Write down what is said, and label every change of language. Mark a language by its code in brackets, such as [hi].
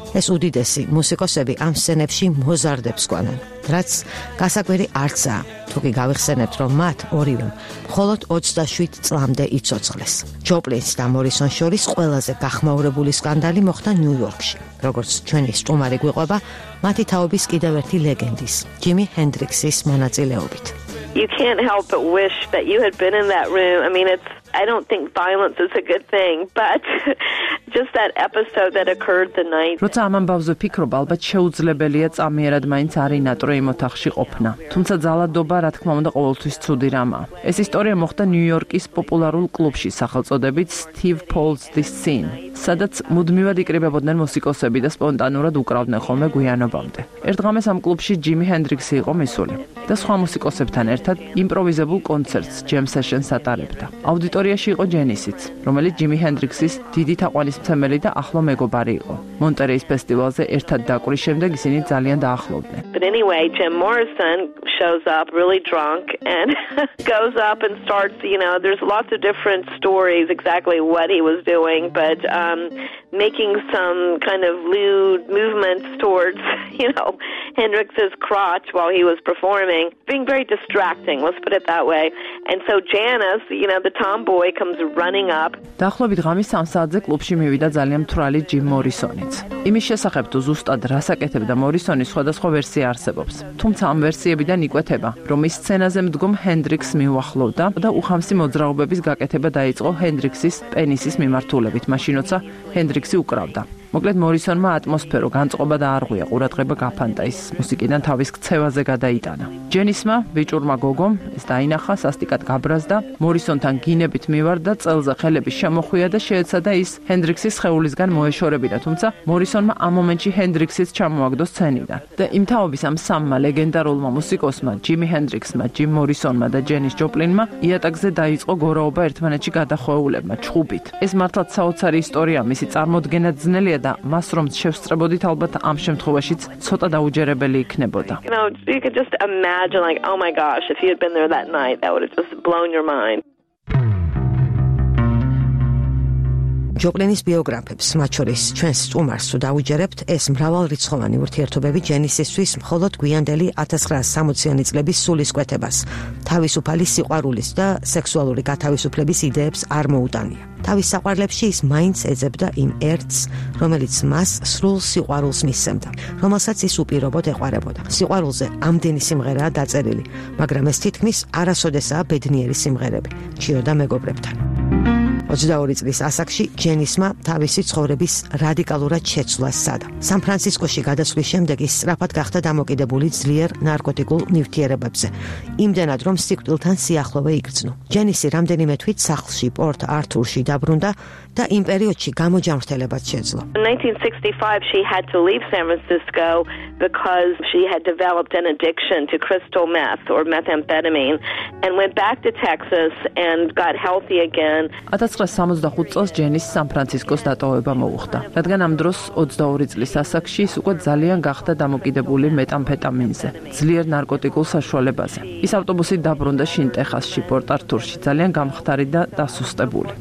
[ka] ეს უდიდესი მუსიკოსები ამ სცენებში მოზარდებს გვანან, რაც გასაკვირი არცაა, თუკი გავიხსენებთ, რომ მათ ორივე მხოლოდ 27 წლამდე იცოცხლეს. ჯოპლინს და მორისონ შორის ყველაზე გახმაურებული სკანდალი მოხდა ნიუ-იორკში, როგორც ჩვენი სტუმარი გვიყვება მათი თაობის კიდევ ერთი ლეგენდის, ჯიმი ჰენდრიქსის მონაწილეობით. [en] You can't help but wish that you had been in that room. I mean, it's I don't think violence is a good thing, but just that episode that occurred the night. [ka] როცა ამ ამბავზე ფიქრობ, ალბათ შეუძლებელია წამიერად მაინც არინატრო იმ ოთახში ყოფნა. თუმცა ძალადობა, რა თქმა უნდა, ყოველთვის ცუდი რამაა. ეს ისტორია მოხდა ნიუ-იორკის პოპულარულ კლუბში სახელწოდებით Steve Paul's The Scene, სადაც მუდმივად იკრიბებოდნენ მუსიკოსები და სპონტანურად უკრავდნენ ხოლმე გვიანობამდე. ერთღამეს ამ კლუბში ჯიმი ჰენდრიქსი იყო მისული და სხვა მუსიკოსებთან ერთად იმპროვიზებულ კონცერტს ჯემ სეშენს ატარებდა. აუდიტორიაში იყო ჯენისიც, რომელიც ჯიმი ჰენდრიქსის დიდი თაყვანისმცემელი და ახლო მეგობარი იყო. მონტერეის ფესტივალზე ერთად დაკვრის შემდეგ ისინი ძალიან დაახლოვდნენ. [en] But anyway, Jim Morrison shows up really drunk and goes up and starts, you know, there's lots of different stories exactly what he was doing, but making some kind of lewd movements towards, you know, Hendrix's crotch while he was performing, being very distracting, let's put it that way. And so Janice, you know, the tomboy comes running up. [ka] დახლობით ღამის 3 საათზე კლუბში მივიდა ძალიან მთვრალი ჯიმ მორისონიც. იმის შესახებ თუ ზუსტად რასაკეთებდა მორისონი, სხვადასხვა ვერსია არსებობს. თუმცა ამ ვერსიებიდან იკვეთება, რომ ის სცენაზე მდგომ ჰენდრიქსს მიუახლოვდა და უხამსი მოძრაობების გაკეთება დაიწყო ჰენდრიქსის პენისის მიმართულებით, მაშინოცა ჰენდრიქსი უკრავდა. მოკლედ მორისონმა ატმოსფერო განწყობა და არღვია, ყურადღება გაფანტა ის მუსიკიდან თავის ქცევაზე გადაიტანა. ჯენისმა, ბიჭურმა გოგომ, ეს დაინახა, სასტიკად გაბრაზდა, მორისონთან გინებით მივარდა, წელზე ხელები შემოხვია და შეეცადა ის ჰენდრიქსის სხეულისგან მოეშორებინა, თუმცა მორისონმა ამ მომენტში ჰენდრიქსიც ჩამოაგდო სცენიდან. და იმ თაობის ამ სამმა ლეგენდარულმა მუსიკოსმა, ჯიმი ჰენდრიქსმა, ჯიმ მორისონმა და ჯენის ჯოპლინმა, იატაკზე დაიწყო გორაობა ერთმანეთში გადახვეულებმა ჩხუბით. ეს მართლაც საოცარი ისტორია, მისი წარმოდგენა ძნელი და მას რომ შევსწრებოდით ალბათ ამ შემთხვევაშიც ცოტა დაუჯერებელი იქნებოდა. [en] You could just imagine like oh my gosh if you had been there that night that would have just blown your mind. [ka] ჯოპლინის ბიოგრაფებს, მათ შორის ჩვენს სტუმარს თუ დაუჯერებთ, ეს მრავალრიცხოვანი ურთიერთობები ჯენისისთვის მხოლოდ გვიანდელი 1960-იანი წლების სულისკვეთებას, თავისუფალი სიყვარულის და სექსუალური გათავისუფლების იდეებს არ მოუტანია. თავის საყვარლებში ის მაინც ეძებდა იმ ერთს, რომელიც მას სრულ სიყვარულს მისცემდა, რომელსაც ის უპირობოდ ეყარებოდა. სიყვარულზე ამდენი სიმღერაა დაწერილი, მაგრამ ეს თითქმის არასოდესაა ბედნიერი სიმღერები, ჩიოდა მეგობრებთან. 22 წლის ასაკში ჯენისმა თავისი ცხოვრების რადიკალურად შეცვლა სცადა. სან-ფრანცისკოში გადასვლის შემდეგ ის სწრაფად გახდა დამოკიდებული ძლიერ ნარკოტიკულ ნივთიერებებზე, იმდენად რომ სიკვდილთან სიახლოვე იგრძნო. ჯენისი რამდენიმე თვით სახლში პორტ ართურში დაბრუნდა და იმ პერიოდში გამოჯანმრთელებაც შეძლო. [en] In 1965 she had to leave San Francisco because she had developed an addiction to crystal meth or methamphetamine and went back to Texas and got healthy again. [ka] 1965 წელს ჯენის სან-ფრანცისკოს დატოვება მოუხდა, რადგან ამ დროს 22 წლის ასაკში ის უკვე ძალიან გახდა დამოკიდებული მეტამფეტამინზე, ძლიერ ნარკოტიკულ საშუალებაზე. ის ავტობუსით დაბრუნდა შინტეხასში, პორტ-ართურში, ძალიან გამხდარი და დასუსტებული.